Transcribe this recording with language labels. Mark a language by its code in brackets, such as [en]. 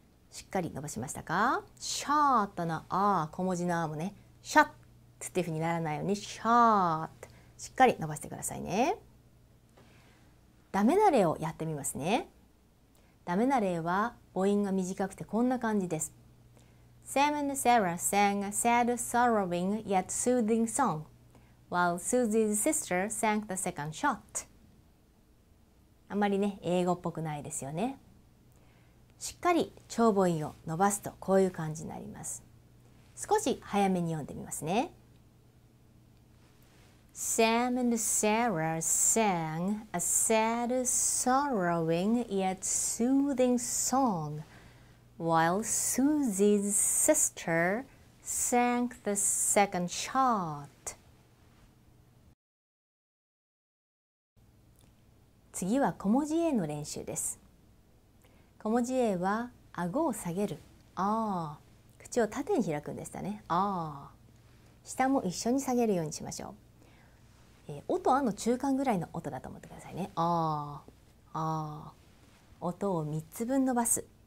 [ja] しっかり伸ばしましたか？シャートのあ、小文字のあもね、シャッっていうふうにならないようにシャート、しっかり伸ばしてくださいね。ダメな例をやってみますね。ダメな例は母音が短くてこんな感じです。 [en] Sam and Sarah sang a sad, sorrowing, yet soothing song while Susie's sister sang the second shot。 [ja] あんまりね、英語っぽくないですよね。しっかり長母音を伸ばすとこういう感じになります。少し早めに読んでみますね。 [en] Sam and Sarah sang a sad, sorrowing, yet soothing song while Susie's sister sang the second shot。 [ja] 次は小文字 A の練習です。小文字 A は顎を下げる、あ、口を縦に開くんでしたね、あ、下も一緒に下げるようにしましょう。音とあの中間ぐらいの音だと思ってくださいね。あ、あ、音を3つ分伸ばす。